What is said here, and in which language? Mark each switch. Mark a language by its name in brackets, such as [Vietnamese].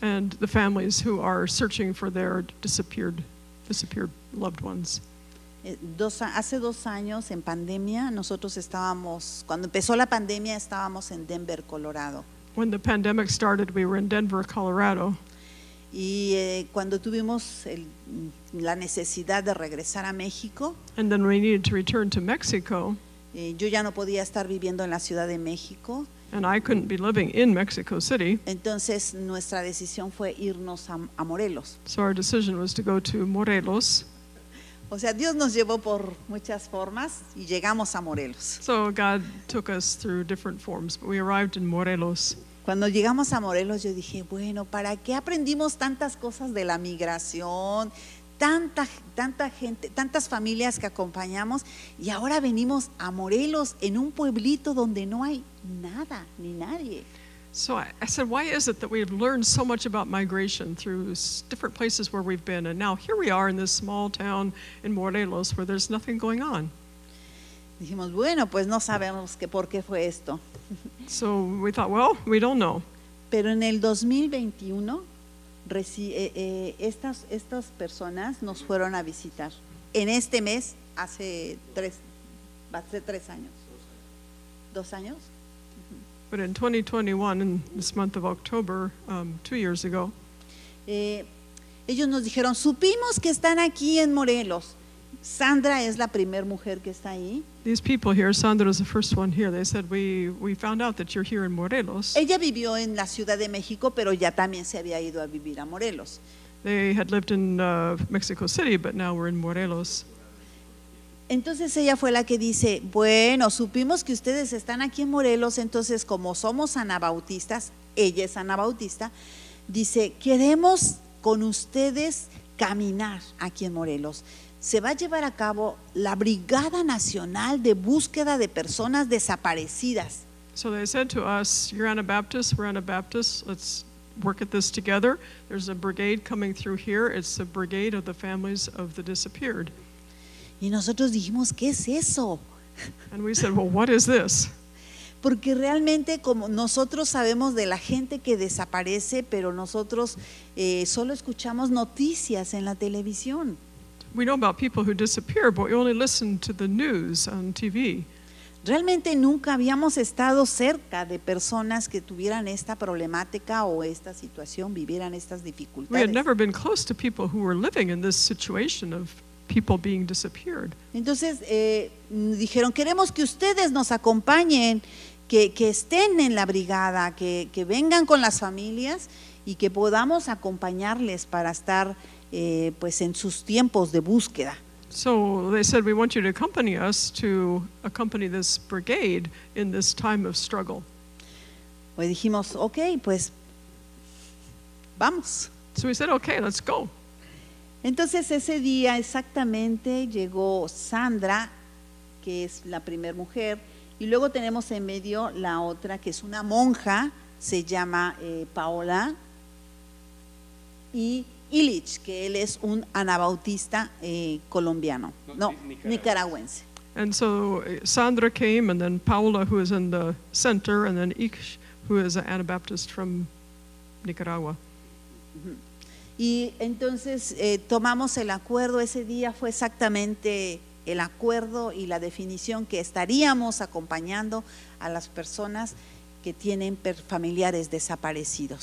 [English] And the families who are searching for their disappeared loved ones. [Spanish] Hace dos años en pandemia nosotros estábamos, cuando empezó la pandemia estábamos en Denver, Colorado. [English] When the pandemic started, we were in Denver, Colorado. [Spanish] Y cuando tuvimos la necesidad de regresar a México. [English] And then we needed to return to Mexico. [Spanish] Yo ya no podía estar viviendo en la Ciudad de México. [English] And I couldn't be living in Mexico City. [Spanish] Entonces nuestra decisión fue irnos a Morelos. [English] So our decision was to go to Morelos. [Spanish] O sea, Dios nos llevó por muchas formas y llegamos a Morelos. [English] So God took us through different forms, but we arrived in Morelos. [Spanish] Cuando llegamos a Morelos, yo dije, bueno, ¿para qué aprendimos tantas cosas de la migración, tanta gente, tantas familias que acompañamos, y ahora venimos a Morelos, en un pueblito donde no hay nada ni nadie. [English] So I said, why is it that we've learned so much about migration through different places where we've been, and now here we are in this small town in Morelos where there's nothing going on? [Spanish] Dijimos, bueno, pues no sabemos que por qué fue esto. [English] So we thought, well, we don't know. [Spanish] Pero en el 2021, estas personas nos fueron a visitar. En este mes, hace dos años. [English] But in 2021, in this month of October, 2 years ago. [Spanish] Ellos nos dijeron, supimos que están aquí en Morelos. Sandra es la primer mujer que está ahí. [English] These people here, Sandra is the first one here. They said, we found out that you're here in Morelos. [Spanish] Ella vivió en la Ciudad de México, pero ya también se había ido a vivir a Morelos. [English] They had lived in Mexico City, but now we're in Morelos. [Spanish] Entonces ella fue la que dice, bueno, supimos que ustedes están aquí en Morelos, entonces como somos anabautistas, ella es anabautista, dice, queremos con ustedes caminar aquí en Morelos. Se va a llevar a cabo la Brigada Nacional de Búsqueda de Personas Desaparecidas. [English] So they said to us, you're Anabaptists, we're Anabaptists, let's work at this together. There's a brigade coming through here, it's the Brigade of the Families of the Disappeared. [Spanish] Y nosotros dijimos, ¿qué es eso? [English] And we said, well, what is this? [Spanish] Porque realmente, como nosotros sabemos de la gente que desaparece, pero nosotros solo escuchamos noticias en la televisión. [English] We know about people who disappear, but we only listen to the news on TV. [Spanish] Realmente nunca habíamos estado cerca de personas que tuvieran esta problemática o esta situación, vivieran estas dificultades. [English] We had never been close to people who were living in this situation of people being disappeared. [Spanish] Entonces dijeron, queremos que ustedes nos acompañen, que estén en la brigada, que vengan con las familias y que podamos acompañarles para estar pues en sus tiempos de búsqueda. [English] So they said, we want you to accompany us to accompany this brigade in this time of struggle. [Spanish] Pues dijimos, okay, pues vamos. [English] So we said, okay, let's go. [Spanish] Entonces ese día exactamente llegó Sandra, que es la primer mujer, y luego tenemos en medio la otra que es una monja, se llama Paola, y Illich, que él es un anabautista colombiano, nicaragüense. [English] And so Sandra came, and then Paola, who is in the center, and then Illich, who is an Anabaptist from Nicaragua. Mm-hmm. [Spanish] Y entonces tomamos el acuerdo, ese día fue exactamente el acuerdo y la definición que estaríamos acompañando a las personas que tienen familiares desaparecidos.